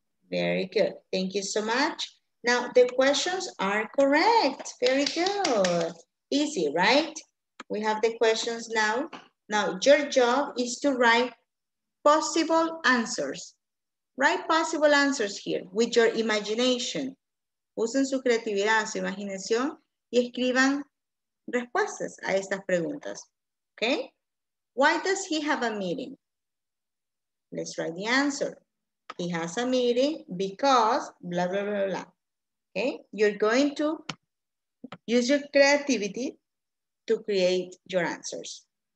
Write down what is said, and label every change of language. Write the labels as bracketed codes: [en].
[en] Very good, thank you so much. Now the questions are correct, very good. Easy, right? We have the questions now. Now your job is to write possible answers. Write possible answers here with your imagination. [es] Usen su creatividad, su imaginación y escriban respuestas a estas preguntas, okay? [en] Why does he have a meeting? Let's write the answer. He has a meeting because blah, blah, blah, blah. Okay, you're going to use your creativity to create your answers.